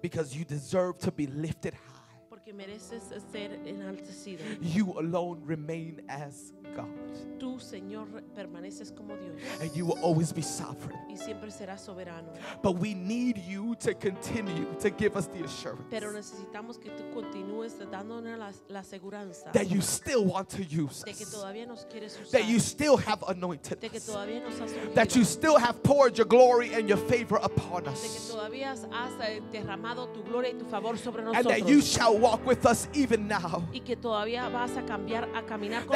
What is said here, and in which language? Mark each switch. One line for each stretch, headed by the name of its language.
English: Because you deserve to be lifted high.
Spanish: Porque mereces ser enaltecido.
English: You alone remain as God.
Spanish: Tú, Señor, permaneces como Dios.
English: And you will always be sovereign.
Spanish: Y siempre serás soberano.
English: But we need you to continue to give us the assurance.
Spanish: Pero necesitamos que tú continúes dándonos la seguridad.
English: That you still want to use us.
Spanish: De que todavía nos quieres usar.
English: That you still have anointed us.
Spanish: De que todavía nos has ungido.
English: That you still have poured your glory and your favor upon us.
Spanish: De que todavía has derramado tu gloria y tu favor sobre nosotros.
English: And that you shall walk with us even now.
Spanish: Y que todavía vas a cambiar a caminar con